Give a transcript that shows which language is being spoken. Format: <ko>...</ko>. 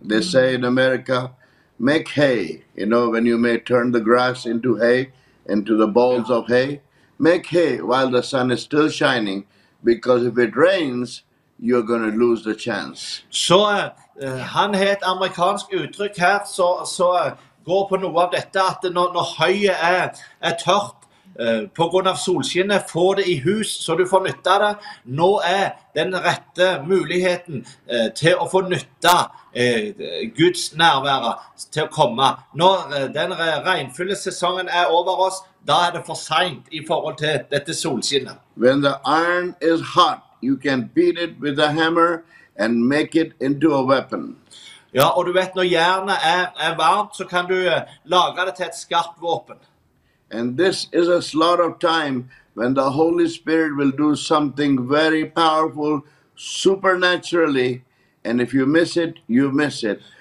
<en>They say in America, make hay, you know, when you may turn the grass into hay, into the balls of hay. Make hay while the sun is still shining, because if it rains, you're going to lose the chance.</en> <no>Så han har et amerikansk uttrykk her, så går på noe av dette, at når høyet er tørt, på grunn av solskinnet, få det i hus så du får nytte det. Nå den rette muligheten til å få nytte Guds nærvær til å komme. Når den regnfulle sesongen over oss, da det for sent i forhold til dette solskinnet.</no> <en>When the iron is hot, you can beat it with a hammer and make it into a weapon.</en> <no>Ja, og du vet, når jernet varmt, så kan du lage det til et skarpt våpen.</no> <en>And this is a slot of time when the Holy Spirit will do something very powerful supernaturally, and if you miss it, you miss it.</en>